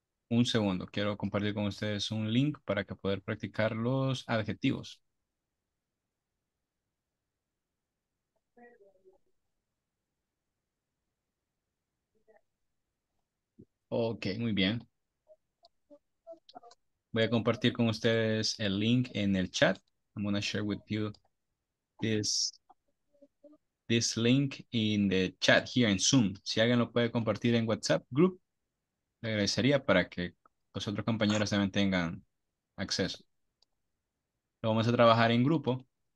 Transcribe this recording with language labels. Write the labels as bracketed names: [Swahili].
[Spanish] Un segundo, quiero compartir con ustedes un link para que puedan practicar los adjetivos. Ok, muy bien. Voy a compartir con ustedes el link en el chat. [English] I'm going to share with you this link in the chat here in Zoom. [Spanish] Si alguien lo puede compartir en WhatsApp group, le agradecería para que los otros compañeros también tengan acceso. Lo vamos a trabajar en grupo.